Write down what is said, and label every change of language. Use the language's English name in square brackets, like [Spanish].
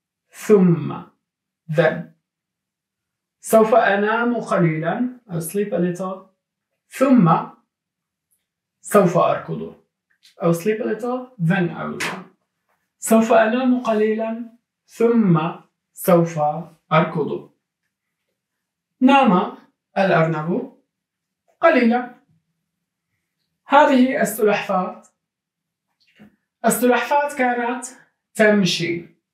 [Arabic] ثم [English] then [Arabic] سوف أنام قليلا. [English] I'll sleep a little. [Arabic] ثم سوف أركض. [English] I'll sleep a little then I will run. [Arabic] سوف أنام قليلا ثم سوف أركض. نام الأرنب قليلا. هذه السلحفاة. السلحفاة كانت تمشي.